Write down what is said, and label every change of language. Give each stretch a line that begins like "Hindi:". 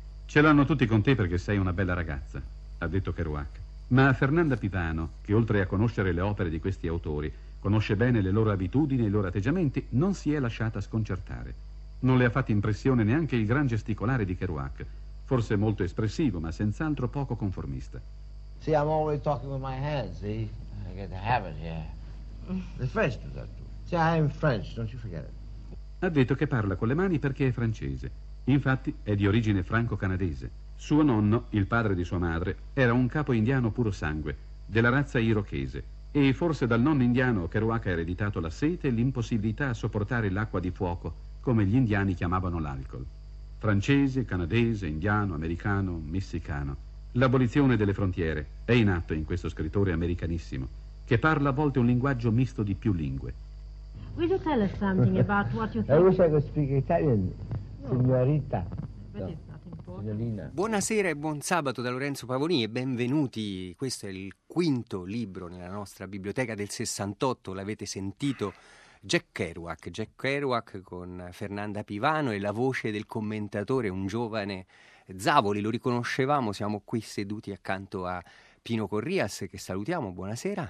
Italian: Ce l'hanno tutti con te perché sei una bella ragazza, ha detto Kerouac. Ma Fernanda Pivano, che oltre a conoscere le opere di questi autori, conosce bene le loro abitudini e i loro atteggiamenti, non si è lasciata sconcertare. Non le ha fatto impressione neanche il gran gesticolare di Kerouac, forse molto espressivo, ma senz'altro poco conformista.
English: See, I'm always talking with my hands, see? I get the habit here. The French do that too. See, I'm French, don't you forget it.
Italian: Ha detto che parla con le mani perché è francese. Infatti, è di origine franco-canadese. Suo nonno, il padre di sua madre, era un capo indiano puro sangue, della razza irochese. E forse dal nonno indiano Kerouac ha ereditato la sete e l'impossibilità a sopportare l'acqua di fuoco, come gli indiani chiamavano l'alcol. Francese, canadese, indiano, americano, messicano. L'abolizione delle frontiere è in atto in questo scrittore americanissimo, che parla a volte un linguaggio misto di più lingue.
English: Will you tell us something about what you think? I wish I could speak Italian, signorita. No.
Italian: Buonasera e buon sabato da Lorenzo Pavoni e benvenuti. Questo è il quinto libro nella nostra biblioteca del 68, l'avete sentito, Jack Kerouac con Fernanda Pivano e la voce del commentatore, un giovane Zavoli, lo riconoscevamo, siamo qui seduti accanto a Pino Corrias che salutiamo, buonasera.